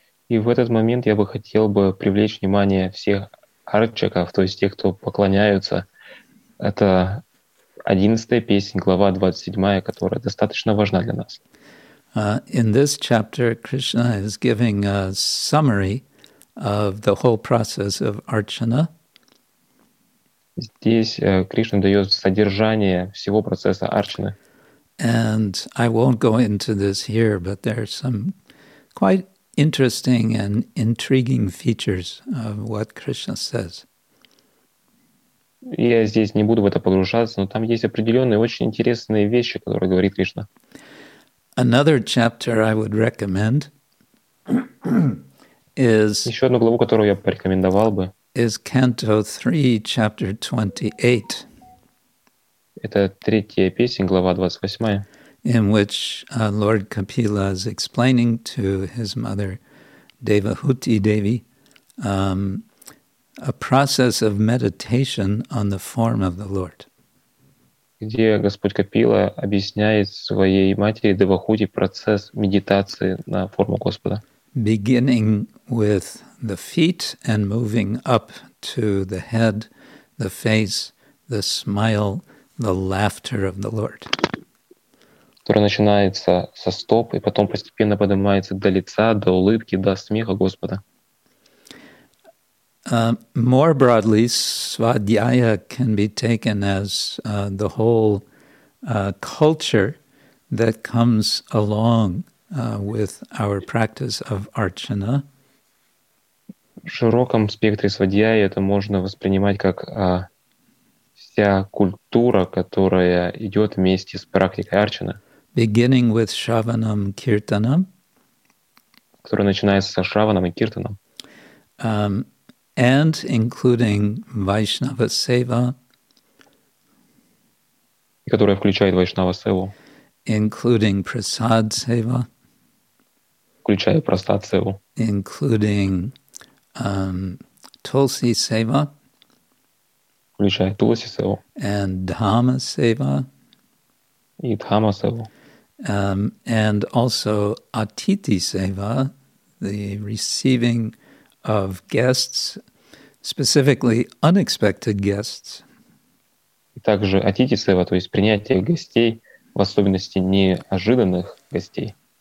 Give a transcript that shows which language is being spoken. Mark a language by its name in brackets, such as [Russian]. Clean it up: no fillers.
[Russian] И в этот момент я бы хотел бы привлечь внимание всех арчаков, то есть тех, кто поклоняются. Это 11-я песня, глава 27-я, которая достаточно важна для нас. [English] In this chapter, Krishna is giving a summary of the whole process of archana. [Russian] Здесь Кришна дает содержание всего процесса арчаны. [English] And I won't go into this here, but there are some quite interesting and intriguing features of what Krishna says. [Russian] Я здесь не буду в это погружаться, но там есть определенные очень интересные вещи, которые говорит Кришна. [English] Another chapter I would recommend is [Russian] еще одну главу, которую я порекомендовал бы, [English] is Canto 3, chapter 28. [Russian] Это третья песня, глава 28. [English] In which Lord Kapila is explaining to his mother Devahuti Devi a process of meditation on the form of the Lord. [Russian] Где Господь Капила объясняет своей матери Девахути процесс медитации на форму Господа. [English] Beginning with the feet and moving up to the head, the face, the smile, the laughter of the Lord. [Russian] Которая начинается со стоп и потом постепенно поднимается до лица, до улыбки, до смеха Господа. [English] More broadly, Svadhyaya can be taken as the whole culture that comes along with our practice of archana. [Russian] широком спектре свадьяи это можно воспринимать как вся культура, которая идет вместе с практикой арчаны. [English] Beginning with Shravanam Kirtanam. [Russian] Которая начинается со Шраваном и Киртаном. [English] And including Vaishnava Seva. [Russian] Которая включает Вайшнава Севу. [English] Including Prasad Seva. [Russian] Включая Prasad Севу. [English] Including Tulsi Seva. [Russian] Включая Tulsi Севу. [English] And Dhamma Seva. [Russian] И Dhamma Севу. [English] And also Atiti Seva, the receiving of guests, specifically unexpected guests. [Russian] Также Atiti Seva, то есть принятие гостей, в особенности неожиданных гостей.